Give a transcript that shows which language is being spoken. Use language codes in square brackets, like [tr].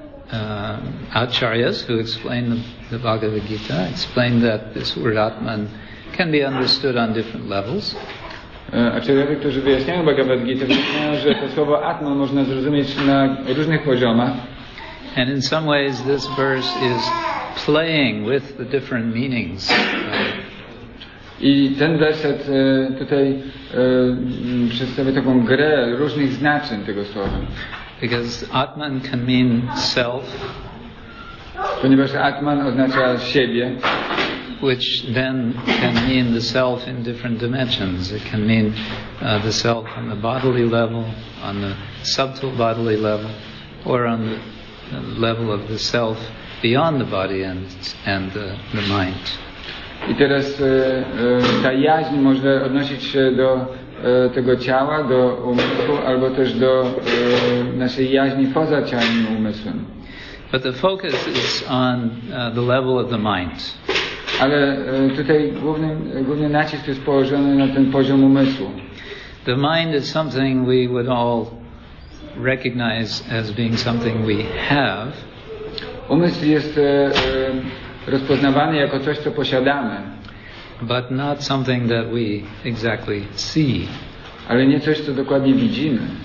[en] The acharyas who explain the Bhagavad Gita explain that this word Atman can be understood on different levels. [pl] Acharyowie, którzy wyjaśniają Bhagavad Gita, wyjaśniają, że to słowo Atman można zrozumieć na różnych poziomach. [en] And in some ways this verse is playing with the different meanings. [pl] I ten werset tutaj przedstawia taką grę różnych znaczeń tego słowa. [en] Because Atman can mean self. [pl] Ponieważ Atman oznacza siebie. [en] Which then can mean the self in different dimensions. It can mean the self on the bodily level, on the subtle bodily level, or on the level of the self beyond the body and the mind. [pl] I teraz ta jaźń może odnosić się do tego ciała, do umysłu, albo też do naszej jaźni poza ciałem i umysłem. [en] But the focus is on the level of the mind. [pl] Ale tutaj główny nacisk jest położony na ten poziom umysłu. [en] The mind is something we would all recognize as being something we have. [pl] Umysł jest rozpoznawany jako coś, co posiadamy. [en] But not something that we exactly see. [pl] Ale nie coś, co dokładnie widzimy.